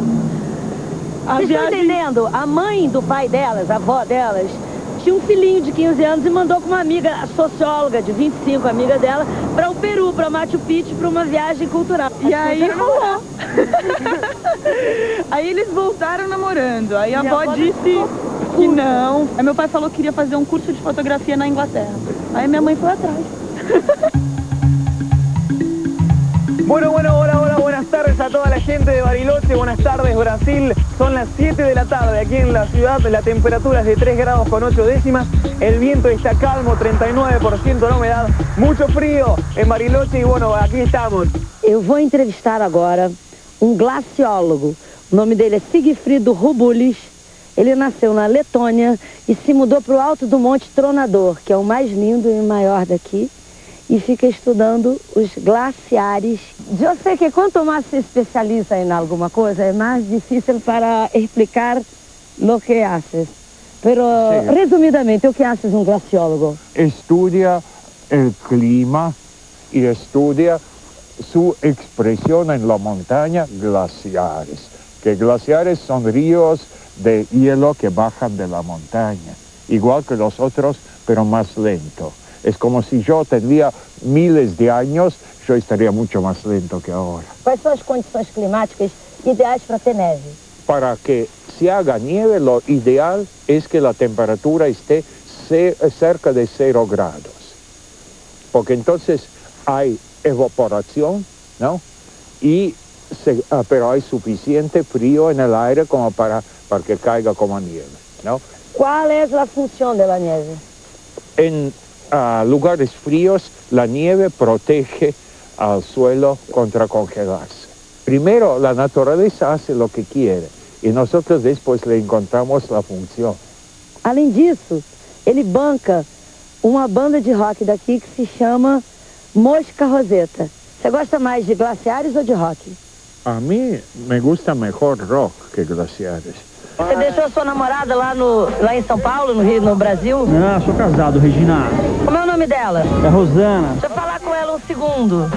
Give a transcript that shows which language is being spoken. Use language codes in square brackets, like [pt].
[pt] Vocês estão entendendo? A mãe do pai delas, a avó delas, tinha um filhinho de 15 anos e mandou com uma amiga socióloga de 25, amiga dela, para o Peru, para Machu Picchu, para uma viagem cultural. E aí rolou. Aí eles voltaram namorando. Aí a avó disse que não. Aí meu pai falou que queria fazer um curso de fotografia na Inglaterra. Aí minha mãe foi atrás. [es] Bueno, bueno, hola, hola, buenas tardes a toda la gente de Bariloche, buenas tardes Brasil, son las 7 de la tarde aquí en la ciudad, la temperatura es de 3 grados con 8 décimas, el viento está calmo, 39% de humedad, mucho frío en Bariloche y bueno, aquí estamos. [pt] Eu vou entrevistar agora um glaciólogo, o nome dele é Sigfrido Rubulis, ele nasceu na Letônia e se mudou para o alto do Monte Tronador, que é o mais lindo e maior daqui. E fica estudando os glaciares. Eu sei que quanto mais se especializa em alguma coisa, é mais difícil para explicar o que [es] haces. [pt] Mas, resumidamente, o que [es] haces [pt] um glaciólogo? [es] Estudia [pt] o clima e estudia sua expressão em la montanha, glaciares. Que glaciares são rios de [es] hielo [pt] que bajam de la montanha. Igual que os outros, mas mais lento. [es] Es como si yo tendría miles de años, yo estaría mucho más lento que ahora. ¿Cuáles son las condiciones climáticas ideales para tener nieve? Para que se haga nieve, lo ideal es que la temperatura esté cerca de 0 grados. Porque entonces hay evaporación, ¿no? Y pero hay suficiente frío en el aire como para que caiga como nieve, ¿no? ¿Cuál es la función de la nieve? En... A lugares fríos, la nieve protege al suelo contra congelarse. Primero, la naturaleza hace lo que quiere y nosotros después le encontramos la función. [pt] Além disso, ele banca uma banda de rock daqui que se chama Mosca Roseta. Você gosta mais de glaciares ou de rock? [es] A mí me gusta mejor rock que glaciares. [pt] Você deixou a sua namorada lá em São Paulo, no Rio, no Brasil? Não, sou casado, Regina. Como é o nome dela? É Rosana. Deixa eu falar com ela um segundo.